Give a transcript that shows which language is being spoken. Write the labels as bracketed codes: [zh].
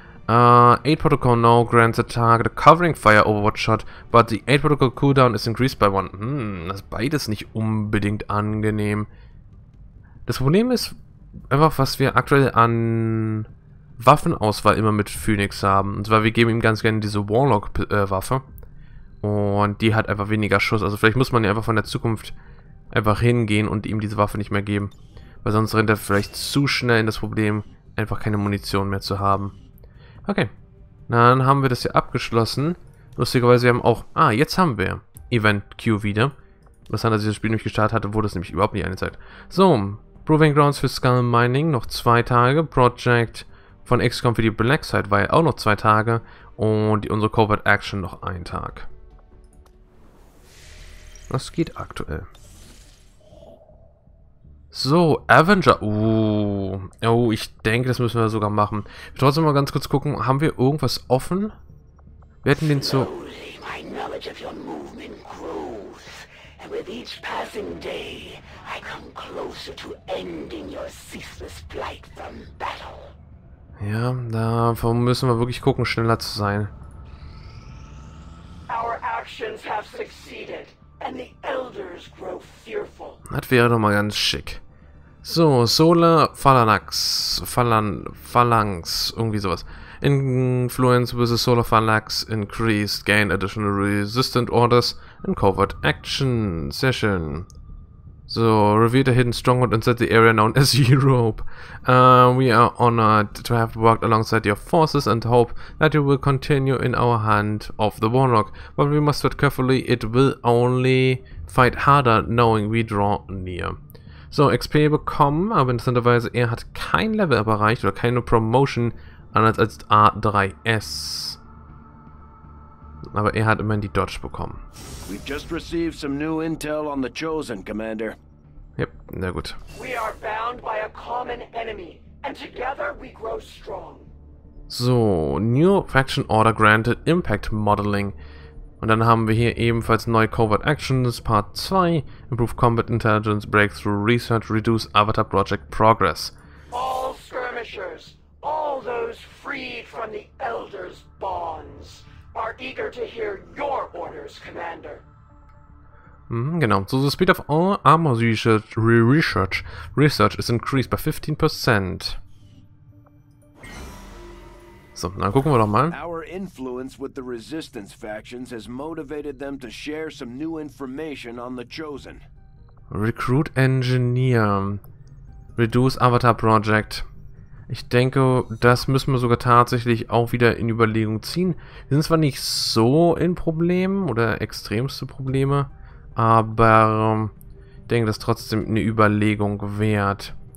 [en] 8 Protocol now grants a target a covering fire Overwatch Shot, but the 8 Protocol cooldown is increased by 1. [de] Das ist beides nicht unbedingt angenehm. Das Problem ist einfach, was wir aktuell an Waffenauswahl immer mit Phoenix haben. Und zwar, wir geben ihm ganz gerne diese Warlock-Waffe. Und die hat einfach weniger Schuss. Also vielleicht muss man ja einfach von der Zukunft einfach hingehen und ihm diese Waffe nicht mehr geben. Weil sonst rennt er vielleicht zu schnell in das Problem, einfach keine Munition mehr zu haben. Okay, dann haben wir das hier abgeschlossen. Lustigerweise, wir haben auch... Ah, jetzt haben wir Event Queue wieder. Was dann, als ich das Spiel nämlich gestartet hatte, wurde es nämlich überhaupt nicht eine Zeit. So, Proving Grounds für Skull Mining, noch 2 Tage. Project von XCOM für die Black Side war ja auch noch 2 Tage. Und unsere Covert Action noch 1 Tag. Was geht aktuell? So, Avenger, oh, ich denke, das müssen wir sogar machen. Ich will trotzdem mal ganz kurz gucken, haben wir irgendwas offen? Wir hätten den zu... [en] My knowledge of your movement grows, and with each passing day, I come closer to ending your ceaseless flight from battle. [de] Ja, davon müssen wir wirklich gucken, schneller zu sein. [en] Our actions have succeeded. And the elders grow fearful. [de] Das wäre doch mal ganz schick. So, Solar Phalanx. [en] Phalanx. [de] Irgendwie sowas. [en] Influence with the Solar Phalanx increased. Gain additional resistant orders and covert action. [de] Sehr schön. [en] So, revealed a hidden stronghold inside the area known as Europe. We are honored to have worked alongside your forces and hope that you will continue in our hand of the Warlock. But we must tread carefully, it will only fight harder, knowing we draw near. [de] So, XP bekommen, aber interessanterweise, er hat kein Level erreicht oder keine Promotion, anders als A3S. Aber er hat immerhin die Dodge bekommen. [en] We've just received some new intel on the Chosen, Commander. [de] Yep, na gut. [en] We are bound by a common enemy, and together we grow strong. So, New Faction Order granted Impact Modeling. [de] Und dann haben wir hier ebenfalls neue Covert Actions, Part 2. [en] Improve Combat Intelligence, Breakthrough Research, Reduce Avatar Project Progress. All skirmishers, all those freed from the Elder's Bonds. Are eager to hear your orders, Commander. Mm, genau. So, the speed of all armor research is increased by 15%. [de] So, dann gucken wir doch mal. [en] Our influence with the resistance factions has motivated them to share some new information on the Chosen. Recruit Engineer. Reduce Avatar Project. [de] Ich denke, das müssen wir sogar tatsächlich auch wieder in Überlegung ziehen. Wir sind zwar nicht so in Problemen oder extremste Probleme, aber ich denke, das ist trotzdem eine Überlegung wert.